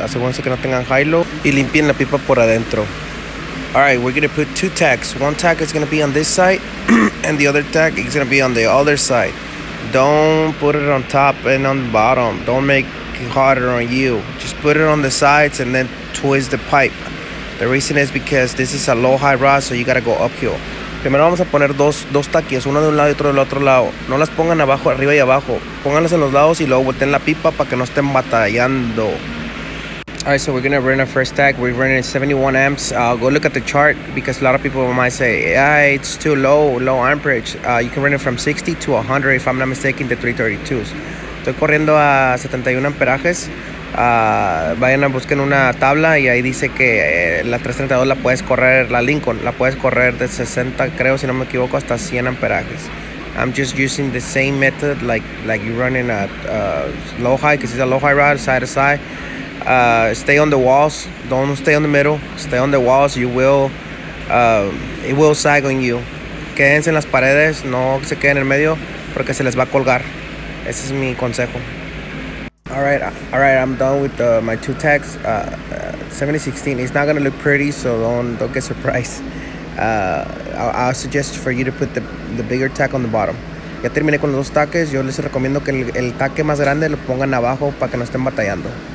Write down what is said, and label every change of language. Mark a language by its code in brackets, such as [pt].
[es] Asegúrense que no tengan [en] high low [es] y limpien la pipa por adentro. [en] All right, we're gonna put two tacks. One tack is gonna be on this side and the other tack is gonna be on the other side. Don't put it on top and on the bottom. Don't make it harder on you. Just put it on the sides and then twist the pipe. The reason is because this is a low high rod, so you gotta go uphill. [es] Primero vamos a poner dos taquillas, uno de un lado y otro del otro lado. No las pongan abajo, arriba y abajo. Pónganlas en los lados y luego volteen la pipa para que no estén batallando. [en] All right, so we're gonna run our first tack. We're running 71 amps. Go look at the chart because a lot of people might say, yeah, it's too low amperage. You can run it from 60 to 100 if I'm not mistaken, the 332s. [es] Estoy corriendo a 71 amperajes. Vayan a buscar una tabla y ahí dice que la 332 la puedes correr, la Lincoln, la puedes correr de 60, creo, si no me equivoco, hasta 100 amperajes. [en] I'm just using the same method like you're running at low high, because it's a low high rod, side to side. Stay on the walls, don't stay on the middle, stay on the walls, you will, it will sag on you. [es] Quédense en las paredes, no se queden en el medio, porque se les va a colgar. Ese es mi consejo. [en] All right, I'm done with my two tacks. 7016, it's not gonna look pretty, so don't get surprised. I'll suggest for you to put the bigger tack on the bottom. [es] Ya terminé con los dos taques. Yo les recomiendo que el taque más grande lo pongan abajo para que no estén batallando.